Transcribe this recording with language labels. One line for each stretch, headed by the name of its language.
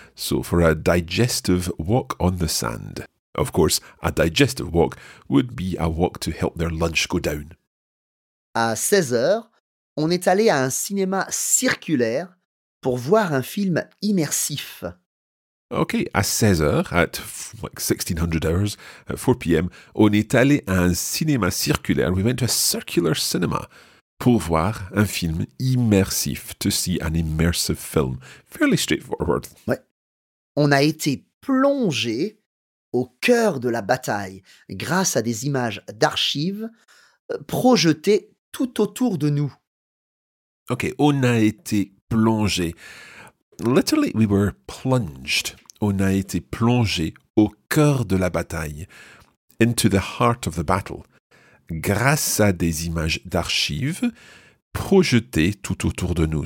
English: So for a digestive walk on the sand. Of course, a digestive walk would be a walk to help their lunch go down.
French: À 16h, on est allé à un cinéma circulaire pour voir un film immersif.
English: Ok,
French: à 16h,
English: at like 1600 hours, at 4 p.m,
French: on est allé à un cinéma circulaire,
English: we went to a circular cinema,
French: pour voir un film immersif,
English: to see an immersive film. Fairly straightforward.
French: Ouais. On a été plongé au cœur de la bataille grâce à des images d'archives projetées tout autour de nous. Okay, on a été plongé.
English: Literally, we were plunged.
French: On a été plongé au cœur de la bataille.
English: Into the heart of the battle.
French: Grâce à des images d'archives projetées tout autour de nous.